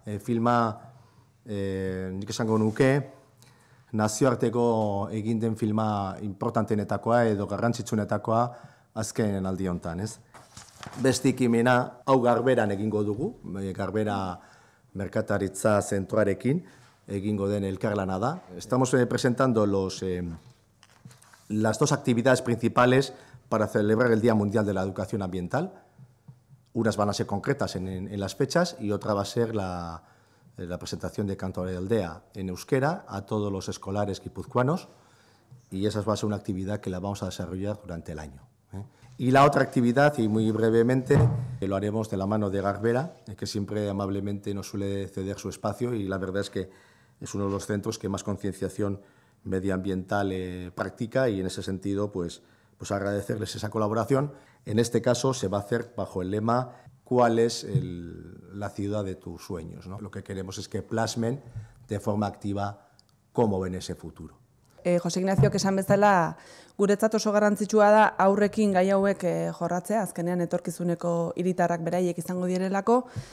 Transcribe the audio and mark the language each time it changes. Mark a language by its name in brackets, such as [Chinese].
[Basque] Nik esango nuke, nazioarteko egin den filma importantenetakoa edo garrantzitsunetakoa azken aldi honetan, ez? Beste ekimena, hau Garberan egingo dugu, Garbera merkataritza zentroarekin egingo den elkarlana da. [Spanish] Estamos presentando las dos actividades principales para celebrar el Día Mundial de la Educación Ambiental. Unas van a ser concretas en las fechas y otra va a ser la presentación de Kantauri aldea en euskera a todos los escolares guipuzcoanos y esa va a ser una actividad que la vamos a desarrollar durante el año. Y la otra actividad, y muy brevemente, lo haremos de la mano de Garbera, que siempre amablemente nos suele ceder su espacio y la verdad es que es uno de los centros que más concienciación medioambiental practica y en ese sentido pues agradecerles esa colaboración. En este caso se va a hacer bajo el lema ¿cuál es la ciudad de tus sueños? ¿No? Lo que queremos es que plasmen de forma activa cómo ven ese futuro. [Basque] Jose Ignacio, esan bezala, guretzat oso garrantzitsua da aurrekin gai hauek jorratzea, azkenean etorkizuneko hiritarrak beraiek izango direlako.